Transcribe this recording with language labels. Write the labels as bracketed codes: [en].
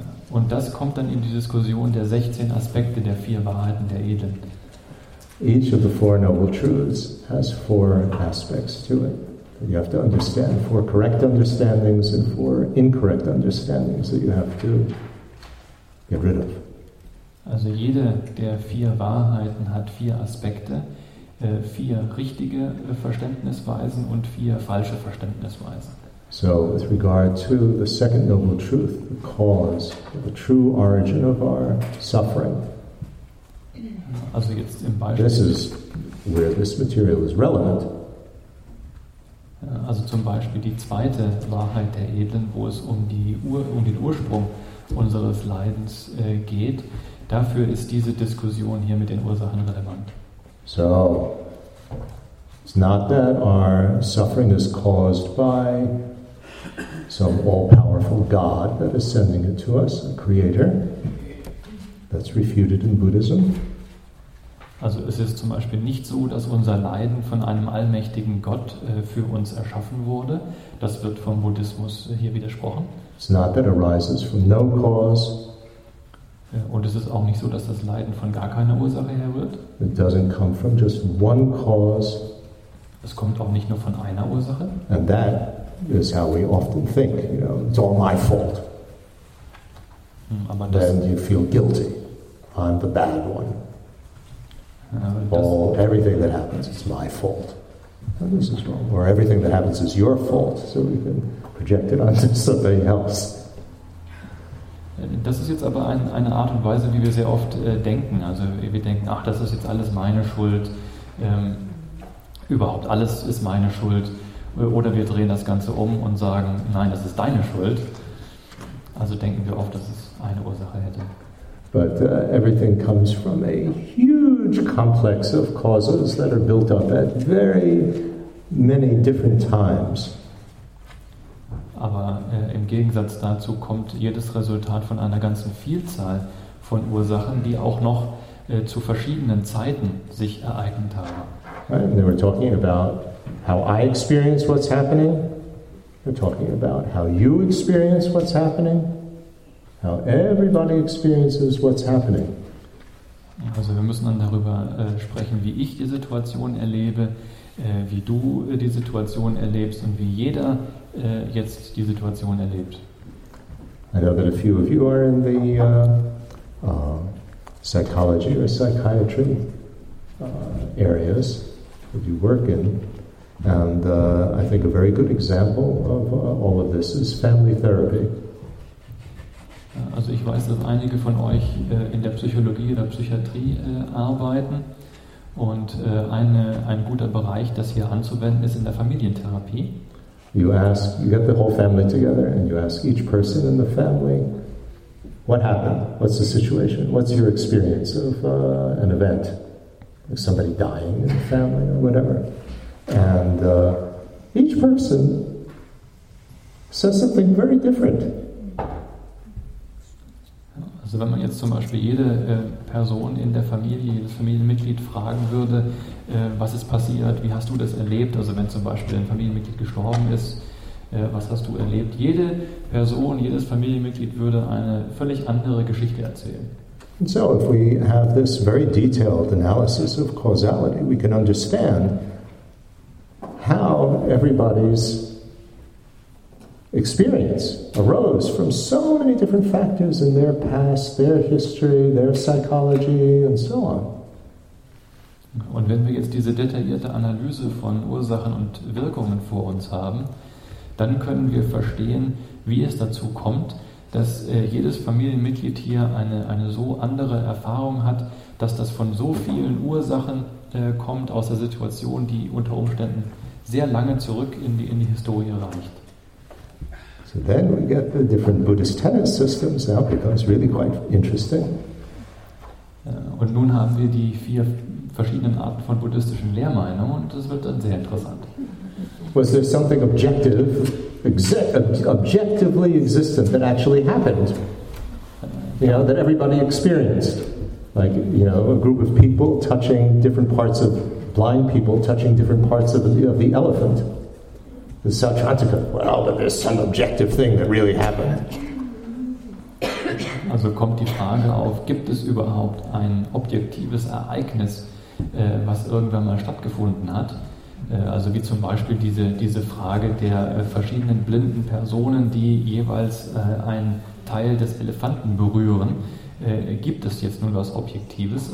[de] Und das kommt dann in die Diskussion der 16 Aspekte der vier Wahrheiten der Edlen. [en] Each of the Four Noble Truths has four aspects to it. You have to understand four correct understandings and four incorrect understandings that you have to get rid of. [de] Also jede der vier Wahrheiten hat vier Aspekte. Vier richtige Verständnisweisen und vier falsche Verständnisweisen. [en] So, with regard to the second noble truth, the cause, the true origin of our suffering. [de] Also jetzt im Beispiel. [en] This is where this material is relevant. [de] Also zum Beispiel die zweite Wahrheit der Edlen, wo es um die um den Ursprung unseres Leidens geht. Dafür ist diese Diskussion hier mit den Ursachen relevant. [en] So, it's not that our suffering is caused by some all-powerful God that is sending it to us, a creator. That's refuted in Buddhism. [de] Also es ist zum Beispiel nicht so, dass unser Leiden von einem allmächtigen Gott für uns erschaffen wurde. Das wird vom Buddhismus hier widersprochen. [en] It's not that it arises from no cause. [de] Und es ist auch nicht so, dass das Leiden von gar keiner Ursache her wird. [en] It doesn't come from just one cause. [de] Es kommt auch nicht nur von einer Ursache. [en] And that is how we often think, you know, it's all my fault. [de] Aber das, [en] then you feel guilty. I'm the bad one. All, everything that happens is my fault. And this is wrong. Or everything that happens is your fault. So we can project it onto somebody else. [de] Das ist jetzt aber eine Art und Weise, wie wir sehr oft denken. Also wir denken, ach, das ist jetzt alles meine Schuld. Überhaupt alles ist meine Schuld. Oder wir drehen das Ganze um und sagen, nein, das ist deine Schuld. Also denken wir oft, dass es eine Ursache hätte. [en] But everything comes from a huge complex of causes that are built up at very many different times. [de] Aber im Gegensatz dazu kommt jedes Resultat von einer ganzen Vielzahl von Ursachen, die auch noch zu verschiedenen Zeiten sich ereignet haben. [en] Right, and they were talking about how I experience what's happening. They're talking about how you experience what's happening. How everybody experiences what's happening. [de] Also wir müssen dann darüber sprechen, wie ich die Situation erlebe, wie du die Situation erlebst und wie jeder jetzt die Situation erlebt. [en] I know that a few of you are in the psychology or psychiatry areas that you work in, and I think a very good example of all of this is family therapy. [de] Also ich weiß, dass einige von euch in der Psychologie oder Psychiatrie arbeiten. Und ein guter Bereich, das hier anzuwenden ist, in der Familientherapie. [en] You ask, you get the whole family together and you ask each person in the family, what happened? What's the situation? What's your experience of an event? Like somebody dying in the family or whatever. And each person says something very different. [de] Also wenn man jetzt zum Beispiel jede Person in der Familie, jedes Familienmitglied fragen würde, was ist passiert, wie hast du das erlebt, also wenn zum Beispiel ein Familienmitglied gestorben ist, was hast du erlebt? Jede Person, jedes Familienmitglied würde eine völlig andere Geschichte erzählen. [en] And so if we have this very detailed analysis of causality, we can understand how everybody's experience arose from so many different factors in their past, their history, their psychology and so on. [de] Und wenn wir jetzt diese detaillierte Analyse von Ursachen und Wirkungen vor uns haben, dann können wir verstehen, wie es dazu kommt, dass jedes Familienmitglied hier eine so andere Erfahrung hat, dass das von so vielen Ursachen kommt aus der Situation, die unter Umständen sehr lange zurück in die Historie reicht. [en] So then we get the different Buddhist tenet systems. Now it becomes really quite interesting. [de] Und nun haben wir die vier verschiedenen Arten von buddhistischen Lehrmeinungen und das wird dann sehr interessant. [en] Was there something objectively existent that actually happened? You know, that everybody experienced. Like, you know, a group of people touching different parts of, blind people touching different parts of the elephant. The Satchantika, well, but there's some objective thing that really happened. [de] Also kommt die Frage auf, gibt es überhaupt ein objektives Ereignis, was irgendwann mal stattgefunden hat? Also wie zum Beispiel diese Frage der verschiedenen blinden Personen, die jeweils einen Teil des Elefanten berühren, gibt es jetzt nun was Objektives?